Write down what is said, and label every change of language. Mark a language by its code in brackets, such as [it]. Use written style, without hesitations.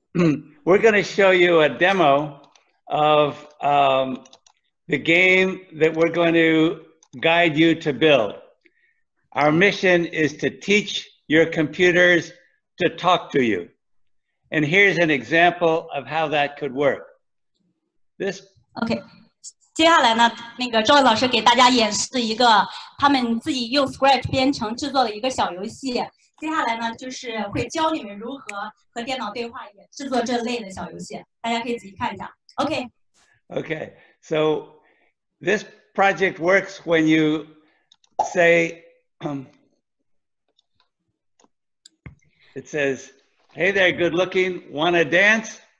[en] So we're going to show you a demo of the game that we're going to guide you to build. Our mission is to teach your computers to talk to you. And here's an example of how that could work. This. Okay. [zh] 接下来呢，那个赵老师给大家演示一个他们自己用 Scratch 编程制作的一个小游戏。接下来呢，就是会教你们如何和电脑对话，也制作这类的小游戏。大家可以仔细看一下。Okay. [en] Okay. So this project works when you say, it says, "Hey there, good looking, wanna dance?"